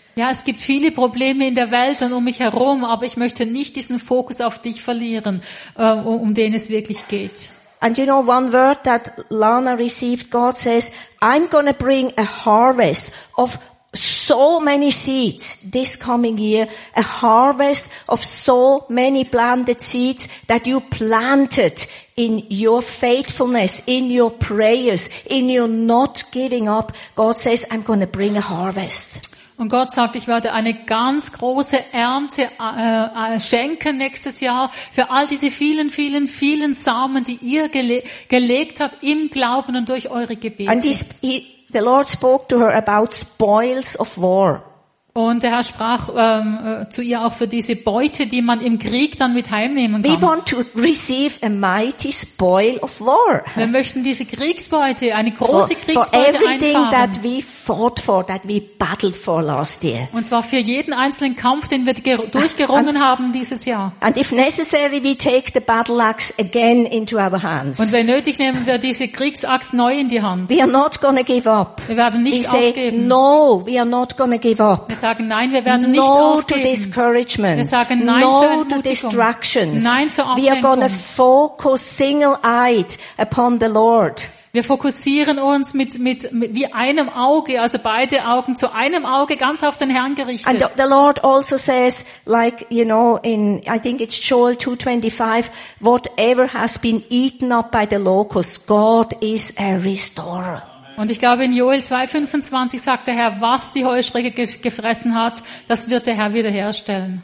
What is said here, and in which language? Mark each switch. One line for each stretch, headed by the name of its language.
German: Ja, es gibt viele Probleme in der Welt und um mich herum, aber ich möchte nicht diesen Fokus auf dich verlieren, um den es wirklich geht.
English: And you know one word that Lana received, God says, I'm gonna bring a harvest of so many seeds this coming year, a harvest of so many planted seeds that you planted in your faithfulness, in your prayers, in your not giving up. God says, I'm gonna bring a harvest.
German: Und Gott sagt, ich werde eine ganz große Ernte schenken nächstes Jahr für all diese vielen, vielen, vielen Samen, die ihr gelegt habt im Glauben und durch eure Gebete.
English: And the Lord spoke to her about spoils of war.
German: Und der Herr sprach zu ihr auch für diese Beute, die man im Krieg dann mit heimnehmen kann.
English: We want to receive a mighty spoil of war.
German: Wir möchten diese Kriegsbeute, eine große Kriegsbeute einfahren.
English: For everything that we fought for, that we battled for last year.
German: Und zwar für jeden einzelnen Kampf, den wir durchgerungen haben dieses Jahr.
English: And if necessary, we take the battle axe again into our hands.
German: Und wenn nötig, nehmen wir diese Kriegsaxt neu in die Hand.
English: We are not gonna give up.
German: Wir werden nicht aufgeben.
English: No, we are not gonna give up.
German: Wir sagen nein, wir werden nicht aufgeben.
English: To discouragement.
German: Wir sagen nein
English: no
German: zur Entmutigung.
English: To distractions.
German: Nein zur Ablenkung.
English: We are gonna focus single-eyed upon the Lord.
German: Wir fokussieren uns mit wie einem Auge, also beide Augen zu einem Auge ganz auf den Herrn gerichtet.
English: And the Lord also says, like, you know, in, I think it's Joel 2:25, whatever has been eaten up by the locust, God is a restorer.
German: Und ich glaube, in Joel 2:25 sagt der Herr, was die Heuschrecke gefressen hat, das wird der Herr wiederherstellen.